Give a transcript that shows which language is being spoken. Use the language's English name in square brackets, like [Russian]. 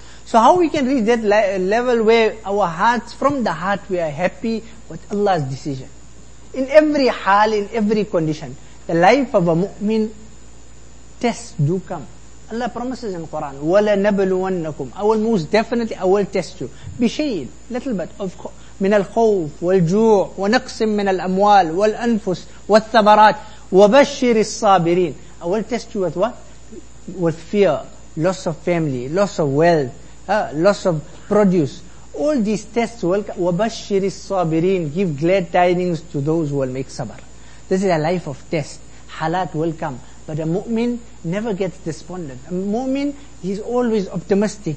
[English] So how we can reach that level where our hearts, from the heart we are happy with Allah's decision. In every hal, in every condition, the life of a mu'min, tests do come. Allah promises in the Quran, [Arabic] وَلَنَبْلُوَنَّكُمْ [English] I will most definitely, I will test you. [Arabic] بِشَيْءٍ [English] Little bit of [Arabic] من الخوف والجوع ونقص من الأموال والأنفس والثمرات وبشر الصابرين. [English] I will test you with what? With fear, loss of family, loss of wealth, loss of produce. All these tests will come. [Arabic] وبشر الصابرين. [English] Give glad tidings to those who will make sabr. This is a life of test. Halat will come. But a mu'min never gets despondent. A mu'min, he's always optimistic.